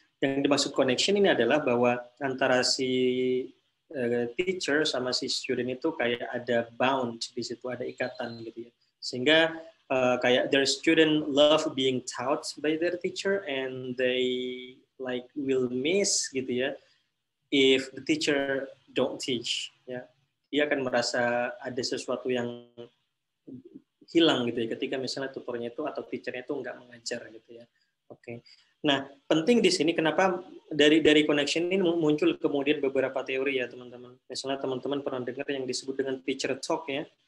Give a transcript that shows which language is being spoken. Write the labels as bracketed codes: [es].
[id] Yang dimaksud connection ini adalah bahwa antara si teacher sama si student itu kayak ada bound di situ, ada ikatan gitu ya. Sehingga kayak [en] their student love being taught by their teacher and they like will miss gitu ya if the teacher don't teach ya. [id] Dia akan merasa ada sesuatu yang hilang gitu ya ketika misalnya tutornya itu atau teachernya itu nggak mengajar gitu ya. Oke. Okay. Nah, penting di sini kenapa dari connection ini muncul kemudian beberapa teori ya, teman-teman. Misalnya teman-teman pernah dengar yang disebut dengan teacher talk ya.